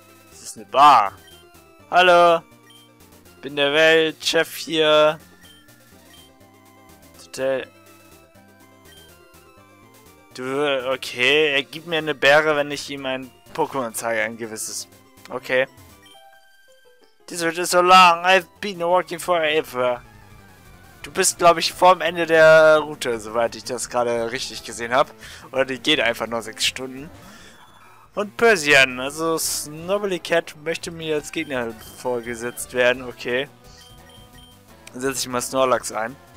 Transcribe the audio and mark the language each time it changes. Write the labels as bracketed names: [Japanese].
[German] Das ist eine Bar. Hallo! Ich bin der Weltchef hier. Total. Du, okay, er gibt mir eine Beere, wenn ich ihm ein Pokémon zeige, ein gewisses. Okay. [English] This is so long, I've been working forever. [German] Du bist, glaube ich, vorm Ende der Route, soweit ich das gerade richtig gesehen habe. Oder die geht einfach nur 6 Stunden. Und Persian, also Snobbly Cat möchte mir als Gegner vorgesetzt werden, okay. Dann setze ich mal Snorlax ein.